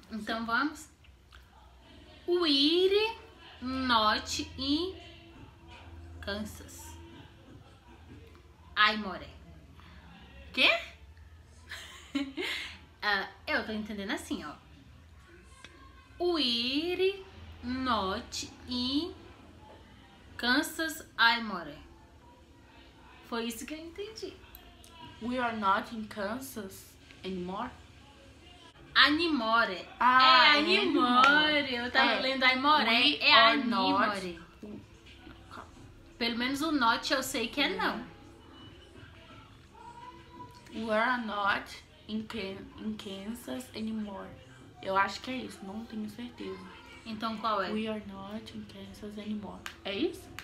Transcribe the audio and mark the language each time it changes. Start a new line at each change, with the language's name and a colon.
Portuguese: Então, sim, vamos?
English: We're not in Kansas. I'm more.
Portuguese: Quê? Eu tô entendendo assim, ó.
English: We're not in Kansas, I more.
Portuguese: Foi isso que eu entendi.
English: We are not in Kansas anymore. Animore. Ah,
Portuguese: é animore. Eu tava lendo I more. É animore. Pelo menos o not eu sei que é não.
English: We are not in Kansas anymore.
Portuguese: Eu acho que é isso. Não tenho certeza. Então qual é?
English: We are not in Kansas anymore.
Portuguese: É isso?